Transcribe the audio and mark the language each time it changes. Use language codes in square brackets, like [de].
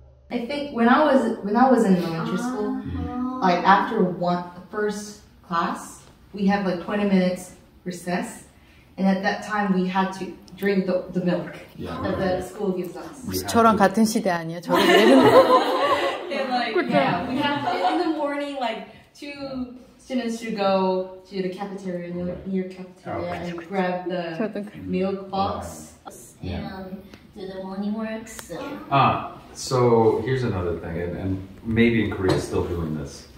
[en] I think when I was in elementary school, like after first class, we have like 20 minutes recess, and at that time we had to drink the milk that the school gives us. [ko] 저랑 같은 시대 아니야? 저랑 예능. [en] And like, yeah, we have to, in the morning, like two students to go to the cafeteria near cafeteria and grab the milk box and do the morning work. So here's another thing, and maybe in Korea still doing this.